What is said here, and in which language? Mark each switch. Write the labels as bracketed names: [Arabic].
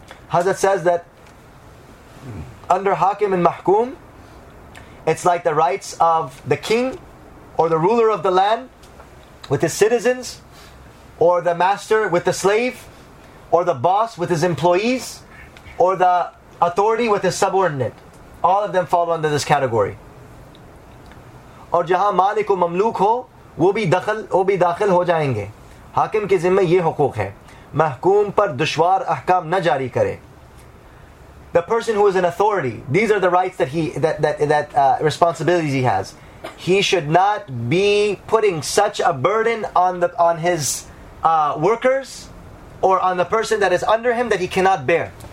[English] Hazrat says that under Hakim and Mahkum, it's like the rights of the king or the ruler of the land with his citizens, or the master with the slave, or the boss with his employees, or the authority with his subordinate. All of them fall under this category. [Urdu] اور جہاں مالک و مملوک ہو وہ بھی داخل ہو جائیں گے. حاکم کے ذمہ یہ حقوق ہے محکوم پر دشوار احکام نہ جاری کرے. [English] The person who is an authority, these are the rights that responsibilities he has. He should not be putting such a burden on his workers or on the person that is under him that he cannot bear.